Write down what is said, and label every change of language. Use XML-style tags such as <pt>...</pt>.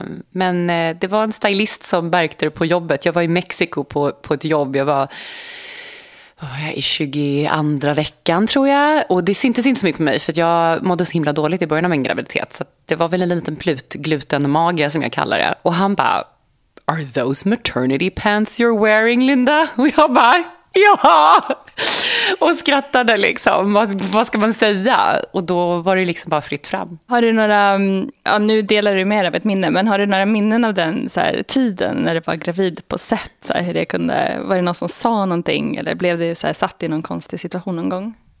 <sv>Men det var en stylist som märkte det på jobbet. Jag var i Mexiko på ett jobb. Jag var i 22 veckan tror jag. Och det syntes inte så mycket på mig. För att jag mådde så himla dåligt i början av min graviditet. Så det var väl en liten plut, glutenmage som jag kallar det. Och han bara,</sv> <en>are those maternity pants you're wearing, Linda?</en> <sv>Och jag bara... Ja, och skrattade liksom. Vad ska man säga? Och då var det liksom bara fritt fram. Har du några, ja, nu delar du mer av ett minne, men har du några minnen av den så här, tiden när du var gravid på set? Så här, hur det kunde, var det någon som sa någonting eller blev du så här, satt i någon konstig situation någon gång?</sv>